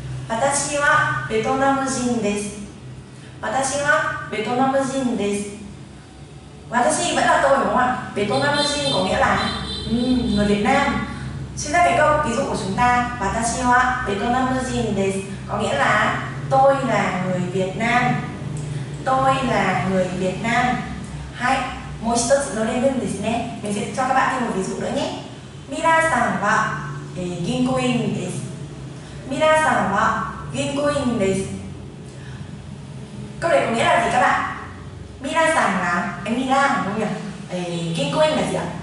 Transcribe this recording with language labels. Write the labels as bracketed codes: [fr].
[ja] 私はベトナム人です。私はベトナム人です。 [vi] 私vẫn là tôi đúng không ạ? ベトナム人có nghĩa là người Việt Nam. Xin ra cái câu ví dụ của chúng ta [ja] 私はベトナム人です [vi] có nghĩa là tôi là người Việt Nam. Tôi là người Việt Nam. [ja] Hay もう一つのレベルですね。 [vi] Mình sẽ cho các bạn thêm một ví dụ nữa nhé. [ja] 皆さんは銀行員です。皆さんは銀行員です。 [vi] Câu này có nghĩa là gì các bạn? 皆さん là em đi ra đúng không nhỉ? 銀行員là gì ạ?